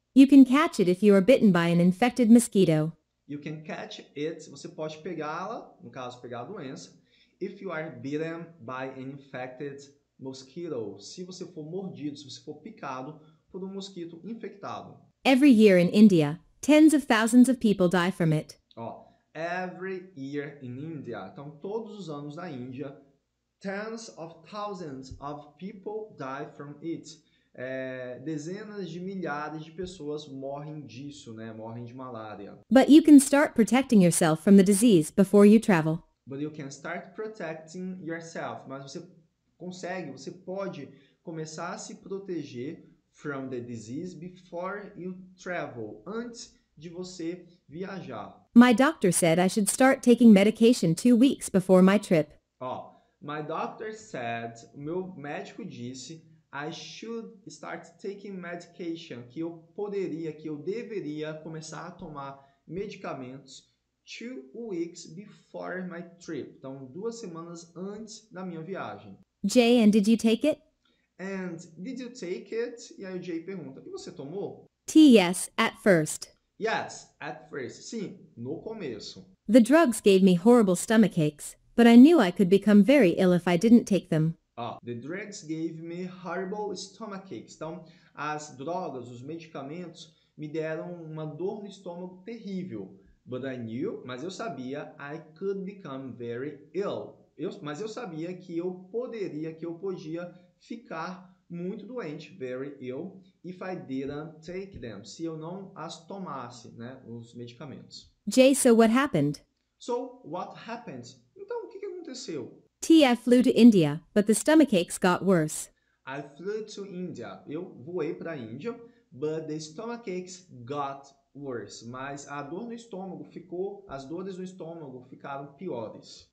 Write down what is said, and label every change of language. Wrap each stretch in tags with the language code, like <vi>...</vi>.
<en>You can catch it if you are bitten by an infected mosquito. You can catch it.</en> <pt>Você pode pegá-la, no caso, pegar a doença.</pt> <en>If you are bitten by an infected mosquito.</en> <pt>Se você for mordido, se você for picado por um mosquito infectado.</pt> <en>Every year in India, tens of thousands of people die from it. Every year in India.</en> <pt>Então, todos os anos na Índia,</pt> <en>tens of thousands of people die from it.</en> <pt>Dezenas de milhares de pessoas morrem disso, né? Morrem de malária.</pt> <en>But you can start protecting yourself from the disease before you travel. But you can start protecting yourself.</en> <pt>Mas você consegue, você pode começar a se proteger</pt> <en>from the disease before you travel,</en> <pt>antes de você viajar.</pt> <en>My doctor said I should start taking medication 2 weeks before my trip. My doctor said,</en> <pt>meu médico disse,</pt> <en>I should start taking medication,</en> <pt>que eu poderia, que eu deveria começar a tomar medicamentos</pt> <en>2 weeks before my trip.</en> <pt>Então, 2 semanas antes da minha viagem.</pt> <en>Jay, and did you take it? And did you take it?</en> <pt>E aí o Jay pergunta, e você tomou?</pt> <en>T, yes, at first. Yes, at first.</en> <pt>Sim, no começo.</pt> <en>The drugs gave me horrible stomach aches, but I knew I could become very ill if I didn't take them. The drugs gave me horrible stomach aches.</en> <pt>Então, as drogas, os medicamentos, me deram uma dor no estômago terrível.</pt> <en>But I knew,</en> <pt>mas eu sabia,</pt> <en>I could become very ill.</en> <pt>Mas eu sabia que eu podia ficar muito doente, very ill,</pt> <en>if I didn't take them,</en> <pt>se eu não as tomasse, né, os medicamentos.</pt> <en>Jay, so what happened? So, what happened?</en> <pt>Então, o que aconteceu?</pt> <en>T, I flew to India, but the stomach aches got worse. I flew to India.</en> <pt>Eu voei para a Índia,</pt> <en>but the stomach aches got worse.</en> <pt>Mas a dor no estômago ficou, as dores no estômago ficaram piores.</pt>